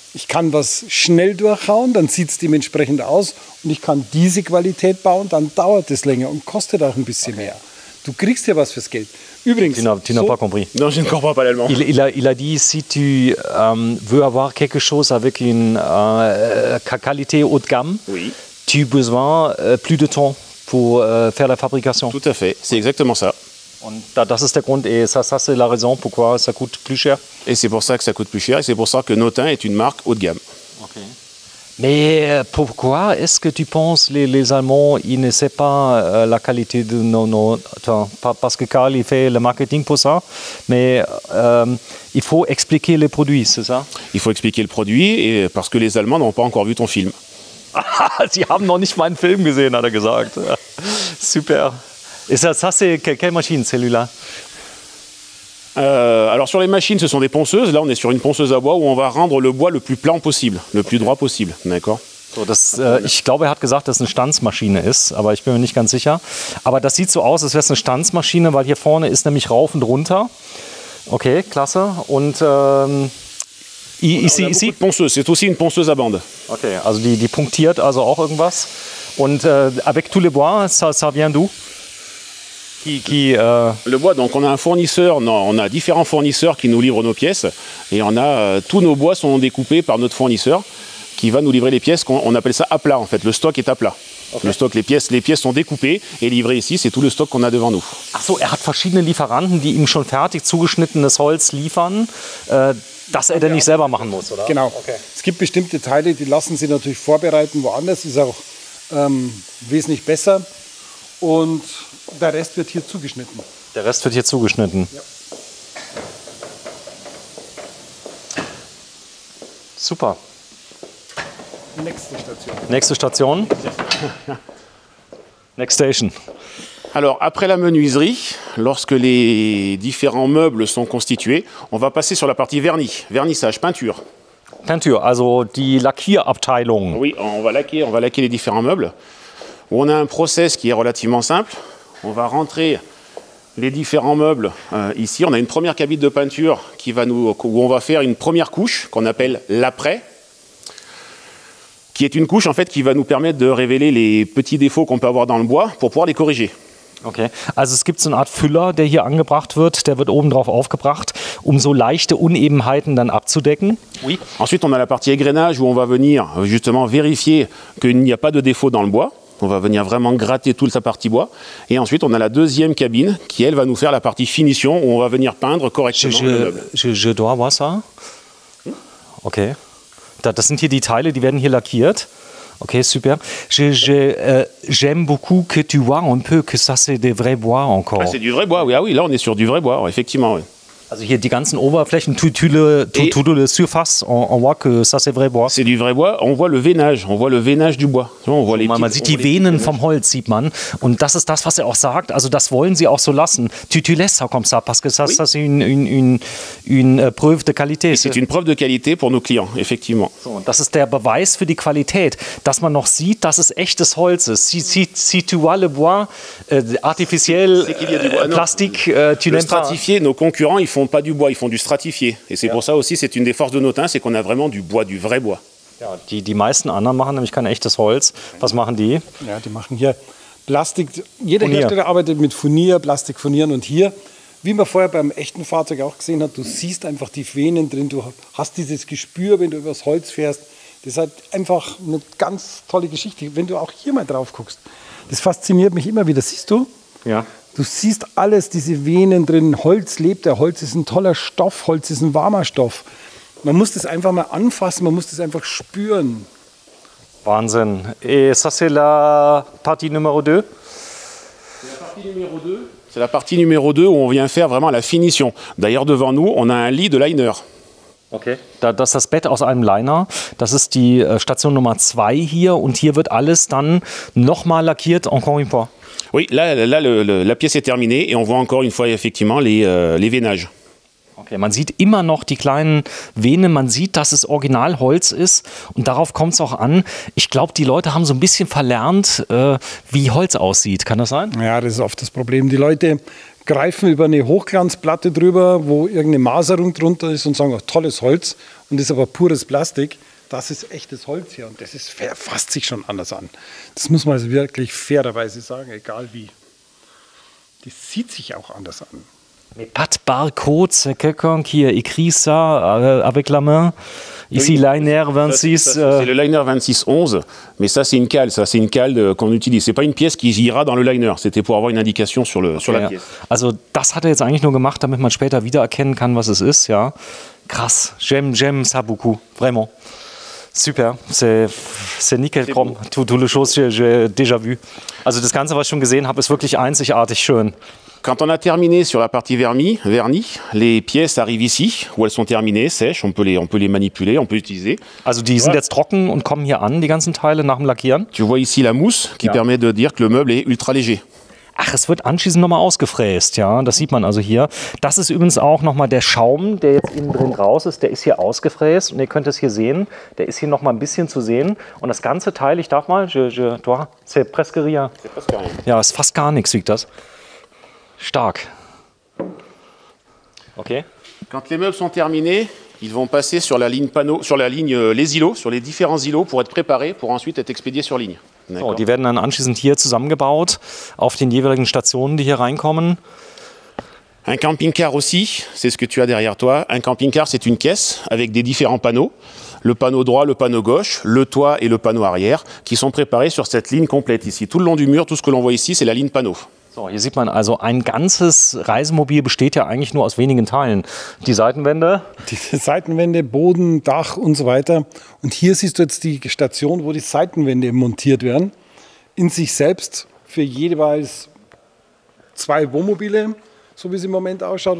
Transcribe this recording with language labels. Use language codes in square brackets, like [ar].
[de] Ich kann was schnell durchhauen, dann sieht es dementsprechend aus. Und ich kann diese Qualität bauen, dann dauert es länger und kostet auch ein bisschen mehr. Du kriegst ja was fürs Geld. Übrigens. [fr] Tu n'as pas compris. Non, je ne comprends pas l'allemand. Il a dit, si tu veux avoir quelque chose avec une qualité haut de gamme, oui. Tu as besoin plus de temps pour faire la fabrication. Tout à fait, c'est exactement ça. [de] Und das ist der Grund [fr] et ça c'est la raison pourquoi ça coûte plus cher. Et c'est pour ça que ça coûte plus cher et c'est pour ça que Notin est une marque haut de gamme. Okay. Mais pourquoi est-ce que tu penses que les Allemands ils ne savent pas la qualité de nos parce que Karl il fait le marketing pour ça, mais il faut expliquer les produits, c'est ça? Il faut expliquer le produit et parce que les Allemands n'ont pas encore vu ton film. [de] Sie haben noch nicht meinen Film gesehen, hat er gesagt. Super. [fr] Et ça c'est quelle machine, celui-là? Alors sur les machines, ce sont des ponceuses. Là, on est sur une ponceuse à bois où on va rendre le bois le plus plan possible, le plus droit possible. D'accord. [de] So, das, ich glaube, er hat gesagt, dass es eine Stanzmaschine ist, aber ich bin mir nicht ganz sicher. Aber das sieht so aus, als wäre es eine Stanzmaschine, weil hier vorne ist nämlich rauf und runter. Okay, klasse. Und [fr] ici. Ponceuse, c'est aussi une ponceuse à bande. [de] Okay, also die punktiert also auch irgendwas. Und [fr] avec tous les bois, ça vient d'où? Le bois, donc on a un fournisseur, non, on a différents fournisseurs qui nous livrent nos pièces et on a tous nos bois sont découpés par notre fournisseur qui va nous livrer les pièces, qu'on appelle ça à plat en fait, le stock est à plat. Okay. Le stock, les pièces sont découpées et livrées ici, c'est tout le stock qu'on a devant nous. [de] Ach so, er hat verschiedene Lieferanten, die ihm schon fertig zugeschnittenes Holz liefern, das er dann nicht selber machen muss, oder? Genau, okay. Es gibt bestimmte Teile, die lassen sie natürlich vorbereiten woanders, ist auch wesentlich besser und der Rest wird hier zugeschnitten. Der Rest wird hier zugeschnitten. Ja. Super. Nächste Station. Nächste Station. [en] Next Station. [fr] Alors, après la menuiserie, lorsque les différents meubles sont constitués, on va passer sur la partie vernis, vernissage, peinture. [de] Peinture, also die Lackierabteilung. [fr] Oui, on va laquer les différents meubles. On a un process qui est relativement simple. On va rentrer les différents meubles ici. On a une première cabine de peinture où on va faire une première couche qu'on appelle l'après, qui est une couche en fait qui va nous permettre de révéler les petits défauts qu'on peut avoir dans le bois pour pouvoir les corriger. [de] Okay, also es gibt so eine Art Füller, der hier angebracht wird. Der wird oben drauf aufgebracht, um so leichte Unebenheiten dann abzudecken. [fr] Oui. Ensuite, on a la partie égrenage où on va venir justement vérifier qu'il n'y a pas de défaut dans le bois. On va venir vraiment gratter toute sa partie bois. Et ensuite, on a la deuxième cabine qui, elle, va nous faire la partie finition où on va venir peindre correctement le meuble. Je dois voir ça. Ok. [de] Das sind hier die Teile, die werden hier lackiert. Ok, super. [fr] J'aime beaucoup que tu vois un peu que ça, c'est des vrais bois encore. Ah, c'est du vrai bois, oui. Ah oui, là, on est sur du vrai bois, effectivement, oui. [de] Also hier die ganzen Oberflächen, [fr] tout le surface, on voit que ça c'est vrai bois. C'est du vrai bois, on voit le veinage du bois. [de] Man sieht die Venen vom Holz, sieht man. Und das ist das, was er auch sagt, also das wollen sie auch so lassen. [fr] Tu laisses ça comme ça, parce que ça, oui. Ça c'est une preuve de qualité. Et c'est une preuve de qualité pour nos clients, effectivement. [de] So, das ist der Beweis für die Qualität, dass man noch sieht, dass es echtes Holz ist. [fr] Si tu vois le bois, artificiel, plastique, tu n'aimes pas. Le stratifié, nos concurrents, ils font pas du bois, ils font du stratifié. Et c'est pour ça aussi, c'est une des forces de Notin, c'est qu'on a vraiment du bois, du vrai bois. [de] Ja, die meisten anderen machen nämlich kein echtes Holz. Was machen die? Ja, die machen hier Plastik. Jeder Furnier. Hersteller arbeitet mit Furnier, Plastikfurnieren. Und hier, wie man vorher beim echten Fahrzeug auch gesehen hat, du siehst einfach die Venen drin. Du hast dieses Gespür, wenn du übers Holz fährst. Das ist halt einfach eine ganz tolle Geschichte. Wenn du auch hier mal drauf guckst, das fasziniert mich immer wieder. Siehst du? Ja. Du siehst alles, diese Venen drin. Holz lebt, der Holz ist ein toller Stoff. Holz ist ein warmer Stoff. Man muss das einfach mal anfassen, man muss das einfach spüren. Wahnsinn. [fr] Et ça c'est la partie numéro 2? C'est la partie numéro 2, où on vient faire vraiment la finition. D'ailleurs, devant nous, on a un lit de liner. Okay. [de] Das ist das Bett aus einem Liner. Das ist die Station Nummer 2 hier. Und hier wird alles dann nochmal lackiert, [fr] encore une fois. Oui, là la pièce est terminée et on voit encore une fois effectivement les veinages. [de] Okay, man sieht immer noch die kleinen Venen, man sieht, dass es Originalholz ist und darauf kommt es auch an. Ich glaube, die Leute haben so ein bisschen verlernt, wie Holz aussieht. Kann das sein? Ja, das ist oft das Problem. Die Leute greifen über eine Hochglanzplatte drüber, wo irgendeine Maserung drunter ist und sagen, oh, tolles Holz und ist aber pures Plastik. Das ist echtes Holz hier und das ist, fasst sich schon anders an. Das muss man also wirklich fairerweise sagen, egal wie. Das sieht sich auch anders an. [fr] Pas de barcode, c'est quelqu'un qui a écrit ça avec la main. Ici, liner 26. C'est le liner 2611, mais ça, c'est une cale. Ça, c'est une cale qu'on utilise. C'est pas une pièce qui ira dans le liner. C'était pour avoir une indication sur, sur la pièce. [de] Also, das hat jetzt eigentlich nur gemacht, damit man später wiedererkennen kann, was es ist. Ja. Krass. [fr] J'aime ça beaucoup. Vraiment. Super, c'est nickel, Tom. Tout le chose, j'ai déjà vu. [de] Also das Ganze, was ich schon gesehen habe, ist wirklich einzigartig schön. [fr] Quand on a terminé sur la partie vernis, les pièces arrivent ici, où elles sont terminées, sèches, on peut les manipuler, on peut les utiliser. [de] Also die sind jetzt trocken und kommen hier an, die ganzen Teile, nach dem Lackieren. [fr] Tu vois ici la mousse, qui permet de dire que le meuble est ultra léger. [de] Ach, es wird anschließend nochmal ausgefräst, ja, das sieht man also hier. Das ist übrigens auch nochmal der Schaum, der jetzt innen drin raus ist, der ist hier ausgefräst. Und ihr könnt es hier sehen, der ist hier nochmal ein bisschen zu sehen. Und das ganze Teil, ich darf mal, [fr] c'est presque rien. [de] Ja, ist fast gar nichts, wiegt das. Stark. Okay. [fr] Quand les meubles sont terminés, ils vont passer sur la ligne panneau, sur la ligne les îlots, sur les différents îlots pour être préparés, pour ensuite être expédiés sur ligne. [de] So, die werden dann anschließend hier zusammengebaut auf den jeweiligen Stationen, die hier reinkommen. [fr] Un camping-car aussi, c'est ce que tu as derrière toi. Un camping-car, c'est une caisse avec des différents panneaux. Le panneau droit, le panneau gauche, le toit et le panneau arrière qui sont préparés sur cette ligne complète ici. Tout le long du mur, tout ce que l'on voit ici, c'est la ligne panneau. [de] So, hier sieht man also, ein ganzes Reisemobil besteht ja eigentlich nur aus wenigen Teilen. Die Seitenwände? Die Seitenwände, Boden, Dach und so weiter. Und hier siehst du jetzt die Station, wo die Seitenwände montiert werden. In sich selbst für jeweils 2 Wohnmobile, so wie es im Moment ausschaut.